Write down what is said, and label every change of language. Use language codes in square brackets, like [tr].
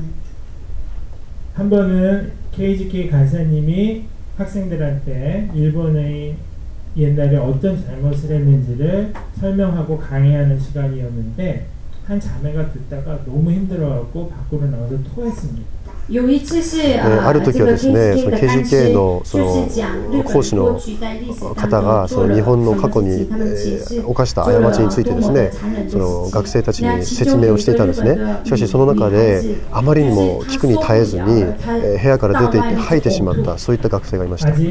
[ja] 歴史的に起こったこの出来事がですね、今に至るまで人々を苦しめることになっています。しかし日本の KGK は日本の学校教育では教えないようなそういった事実を学生たちに教えています。 [zh] 他们在学校里面学不到的历史，我们教给他们。 [ko] KGK 간사님이 학생들한테 일본의 옛날에 어떤 잘못을 했는지를 설명하고 강의하는 시간이었는데 한 자매가 듣다가 너무 힘들어하고 밖으로 나와서 토했습니다. [zh] 有一次是， [ja] ある時はですね、その KGKの講師の方が、その日本の過去に犯した過ちについてですね、その学生たちに説明をしていたんですね。しかしその中であまりにも聞くに耐えずに、部屋から出て行って吐いてしまった、そういった学生がいました。